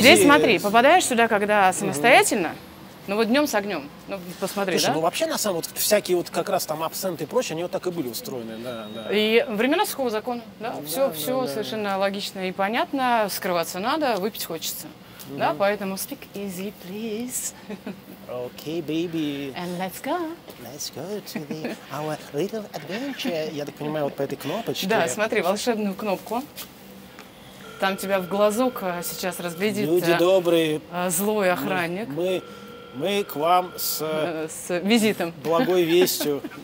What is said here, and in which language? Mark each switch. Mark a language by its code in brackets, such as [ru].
[ru] Здесь смотри, попадаешь сюда, когда самостоятельно, ну вот днем с огнем, ну посмотри, слушай, да? Ну вообще, на самом деле, вот всякие вот как раз там абсенты и прочее, они вот так и были устроены, да. И времена сухого закона, да? Все совершенно логично и понятно, скрываться надо, выпить хочется, да? Поэтому [en] speak easy, please. Okay, baby. And let's go. Let's go to the our little adventure. [ru] Я так понимаю, вот по этой кнопочке. Да, смотри, волшебную кнопку. Там тебя в глазок сейчас разглядит... Люди добрые. Злой охранник. Мы к вам с визитом. Благой вестью.